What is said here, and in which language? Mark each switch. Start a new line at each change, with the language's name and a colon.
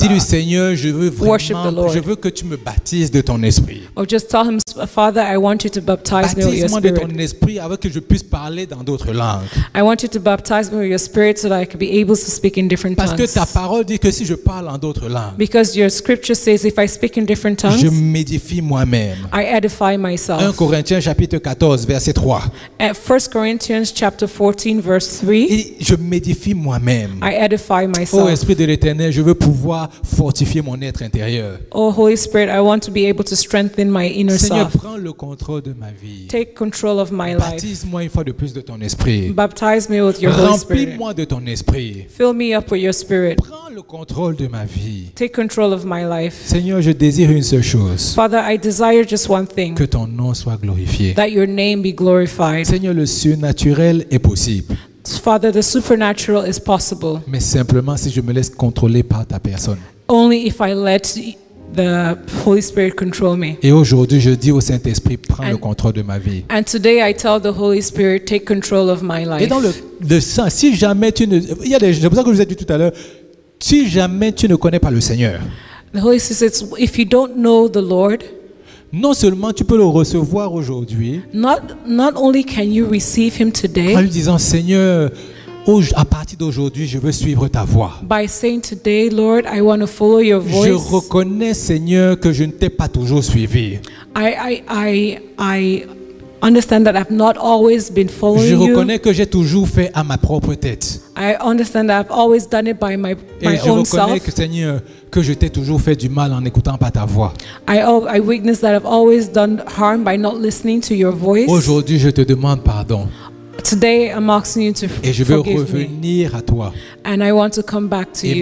French: dis-lui Seigneur, je veux vraiment, je veux que tu me baptises de ton esprit.
English: Or just tell him, Father, I want you to baptize me with your spirit.
French: Baptise-moi de ton esprit avant que je puisse parler dans d'autres langues.
English: I want you to baptize me with your spirit so that I could be able to speak in different
French: Parce
English: tongues.
French: Parce que ta parole dit que si je parle en d'autres langues,
English: because your scripture says if I speak in different tongues,
French: je m'édifie moi-même.
English: I edify myself.
French: 1 Corinthiens chapitre 14 verset 3.
English: Corinthians chapter 14 verse 3.
French: Je m'édifie moi-même.
English: I edify myself.
French: Ô Esprit de l'Éternel, je veux pouvoir fortifier mon être intérieur.
English: Oh Holy Spirit, I want to be able to strengthen my inner
French: Seigneur,
English: self.
French: Seigneur, prends le contrôle de ma vie.
English: Take control of my life.
French: Baptise-moi une fois de plus de ton esprit.
English: Baptize me with your
French: Remplis-moi
English: Holy Spirit.
French: Remplis-moi de ton esprit.
English: Fill me up with your spirit.
French: Prends le contrôle de ma vie.
English: Take control of my life.
French: Seigneur, je désire une seule chose.
English: Father, I desire just one thing.
French: Que ton nom soit glorifié.
English: That your name be glorified.
French: Seigneur, le surnaturel est possible.
English: Father, the supernatural is possible.
French: Mais simplement si je me laisse contrôler par ta personne.
English: Only if I let the Holy Spirit control me.
French: Et aujourd'hui, je dis au Saint-Esprit, prends le contrôle de ma vie.
English: And today I tell the Holy Spirit, take control of my life.
French: Et dans le sens, si jamais tu ne, il y a des, c'est pour ça que je vous ai dit tout à l'heure, si jamais tu ne connais pas le Seigneur.
English: The Holy Spirit says, if you don't know the Lord.
French: Non seulement tu peux le recevoir aujourd'hui.
English: Not only can you receive him today.
French: En lui disant Seigneur, à partir d'aujourd'hui, je veux suivre ta voix.
English: By saying today, Lord, I want to follow your voice.
French: Je reconnais Seigneur que je ne t'ai pas toujours suivi.
English: I understand that I've not always been following you.
French: Je reconnais que j'ai toujours fait à ma propre tête.
English: I understand that I've always done it by my
French: Et
English: my own self.
French: Et je reconnais que Seigneur que je t'ai toujours fait du mal en n'écoutant pas ta voix.
English: I witness that I've always done harm by not listening to your voice.
French: Aujourd'hui, je te demande pardon.
English: Today, I'm asking you to forgive me.
French: Et je veux revenir à toi.
English: And I want to come back to you.